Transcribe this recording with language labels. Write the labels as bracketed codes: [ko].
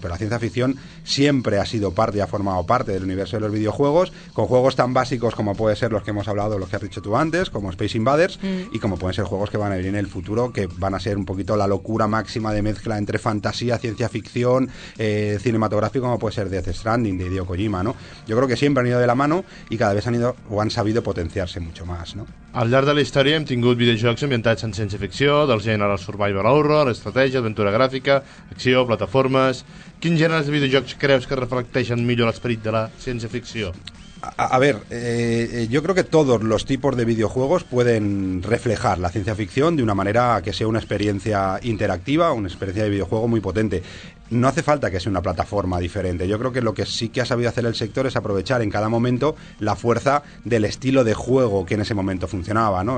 [es] Pero la ciencia ficción siempre ha sido parte, ha formado parte del universo de los videojuegos, con juegos tan básicos como puede ser los que hemos hablado, los que has dicho tú antes, como Space Invaders, y como pueden ser juegos que van a venir en el futuro, que van a ser un poquito la locura máxima de mezcla entre fantasía, ciencia ficción, cinematográfico, como puede ser Death Stranding de Hideo Kojima, ¿no? Yo creo que siempre han ido de la mano, y cada vez han ido han sabido potenciarse mucho más, ¿no? [ca] Al llarg de la història hem tingut videojocs ambientats en ciència-ficció, del gènere survival horror, estratègia, aventura gràfica, acció, plataformes. Quins gèneres de videojocs creus que reflecteixen millor l'esperit de la ciència-ficció? [es] Yo creo que todos los tipos de videojuegos pueden reflejar la ciencia ficción de una manera que sea una experiencia interactiva, una experiencia de videojuego muy potente. no hace falta que sea una plataforma diferente. Yo creo que lo que sí que ha sabido hacer el sector es aprovechar en cada momento la fuerza del estilo de juego que en ese momento funcionaba, ¿no?